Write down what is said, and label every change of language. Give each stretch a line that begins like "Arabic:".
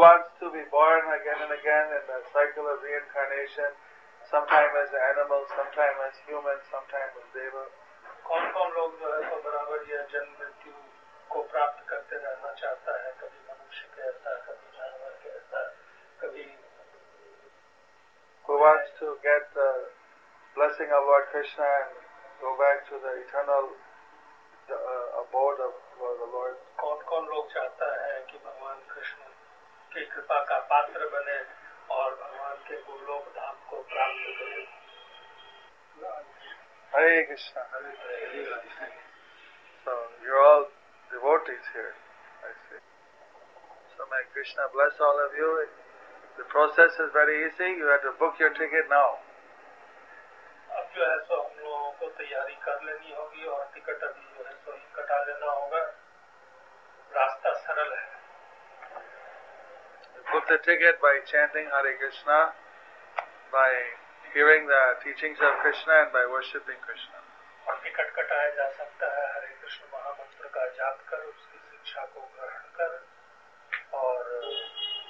English: Who wants to be born again and again in the cycle of reincarnation, sometime as animal, sometime as human, sometime as deva?
Hindi: कौन कौन लोग जो है तो बराबर यह जन्म मृत्यु को प्राप्त करते रहना चाहता है, कभी मनुष्य कहता, कभी जानवर कहता, कभी.
English: Who wants to get the blessing of Lord Krishna and go back to the eternal abode of the Lord.
Hindi: कौन कौन लोग चाहता है कि भगवान कृष्ण की कृपा का पात्र बने और भगवान के गोलोक धाम को प्राप्त करे. हरे कृष्ण, हरे Krishna.
English: So you're all devotees here, I see. So may Krishna bless all of you. The process is very easy. You have to book your ticket now.
Hindi: अब जो है सो हम लोगों को तैयारी कर लेनी होगी और टिकट अभी जो है सो कटा लेना होगा. रास्ता सरल है.
English: Book the ticket by chanting Hare Krishna, by hearing the teachings of Krishna and by worshipping Krishna.
Hindi: और टिकट कटाया जा सकता है हरे कृष्ण महामंत्र का जाप कर, उसकी शिक्षा को ग्रहण कर और